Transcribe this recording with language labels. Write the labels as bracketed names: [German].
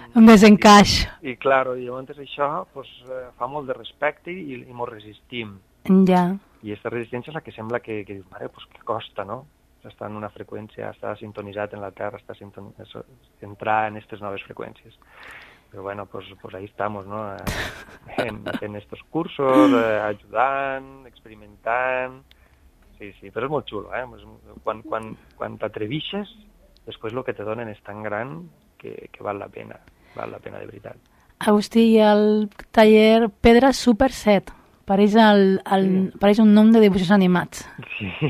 [Catalan] desencaix. I clar, i llavors això doncs, fa molt de respecte i m'ho resistim. Ja. I aquesta resistència és la que sembla que dius, mare, doncs que costa, no? Està en una freqüència, està sintonitzat en la Terra, està entrar en aquestes noves freqüències. [Spanish] Però bueno, pues ahí estamos, ¿no? En estos cursos, [Catalan] ayudant, experimentant... Sí, però és molt xulo, ¿eh? Quan t'atreveixes, després el que te donen és tan gran que val la pena de veritat. Agustí, i el taller Pedra Super 7, pareix un nom de dibuixos animats. Sí,